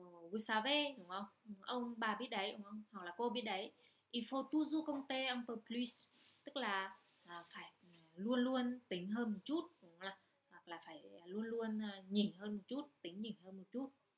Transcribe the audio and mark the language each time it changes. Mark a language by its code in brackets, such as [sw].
[fr] Vous savez, [vi] đúng không? Ông bà biết đấy, đúng không? Hoặc là cô biết đấy. [fr] Il faut toujours compter un peu plus. [vi] Tức là phải luôn luôn tính hơn một chút, đúng không? Hoặc là phải luôn luôn nhìn hơn một chút, tính nhìn hơn một chút.